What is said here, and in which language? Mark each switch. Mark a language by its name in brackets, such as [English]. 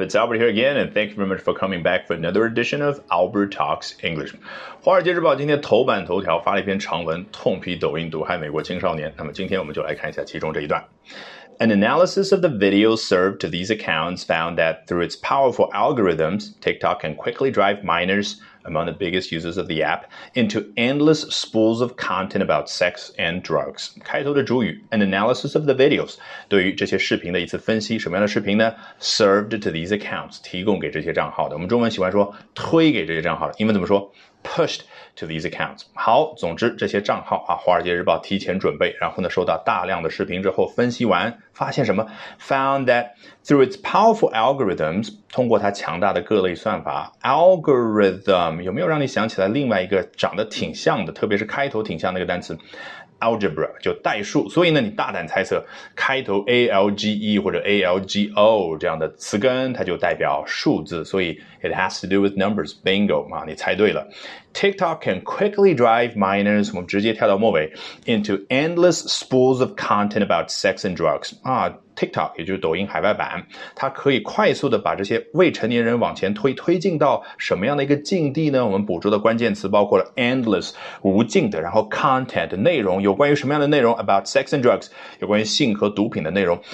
[English] It's Albert here again, and thank you very much for coming back for another edition of Albert Talks English. [Chinese] 华尔街日报今天头版头条发了一篇长文，痛批抖音毒害美国青少年。那么今天我们就来看一下其中这一段。 [English] An analysis of the videos served to these accounts found that through its powerful algorithms, TikTok can quickly drive minors, among the biggest users of the app, into endless spools of content about sex and drugs. [Chinese] 开头的主语 , [English] an analysis of the videos, [Chinese] 对于这些视频的一次分析，什么样的视频呢 ? [English] served to these accounts, [Chinese] 提供给这些账号的。我们中文喜欢说推给这些账号的。英文怎么说 ? [English] pushed to these accounts. [Chinese] 好，总之这些账号啊，华尔街日报提前准备，然后呢收到大量的视频之后分析完，发现什么 ? [English] found that through its powerful algorithms, [Chinese] 通过它强大的各类算法 ,algorithm, 有没有让你想起来另外一个长得挺像的，特别是开头挺像的那个单词 ,algebra, 就代数。所以呢你大胆猜测开头 ALGE 或者 ALGO 这样的词根它就代表数字，所以 [English] it has to do with numbers, [Chinese] bingo, 啊你猜对了。 [English] TikTok can quickly drive minors, [Chinese] 我们直接跳到末尾 [English] into endless spools of content about sex and drugs. [Chinese] 啊 ,TikTok, 也就是抖音海外版，它可以快速的把这些未成年人往前推，推进到什么样的一个境地呢？我们捕捉的关键词包括了 endless, 无尽的，然后 content, 内容，有关于什么样的内容 , [English] about sex and drugs, [Chinese] 有关于性和毒品的内容。